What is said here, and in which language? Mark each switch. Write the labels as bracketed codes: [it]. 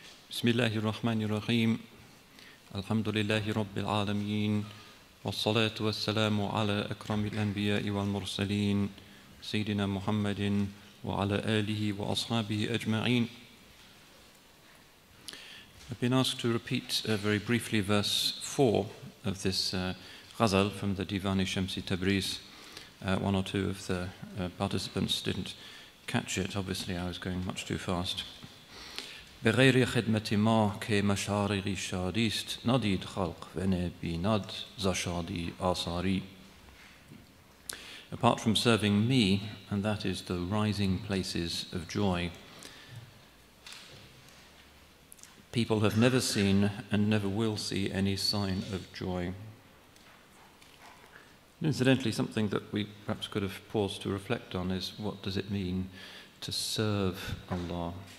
[ar] بسم الله الرحمن الرحیم، الحمد لله رب العالمين، والصلاة والسلام على أكرم الأنبياء والمرسلين سيدنا محمد وعلى آله وأصحابه أجمعين. [en] I've been asked to repeat very briefly verse 4 of this ghazal from the Divan Shamsi Tabriz. One or two of the participants didn't catch it. Obviously, I was going much too fast. [fa] بغیر خدمت ما که مشارقی شادیست ندید خلق و نبیند زشادی آثاری. [en] Apart from serving me, and that is the rising places of joy, people have never seen and never will see any sign of joy. Incidentally, something that we perhaps could have paused to reflect on is what does it mean to serve Allah?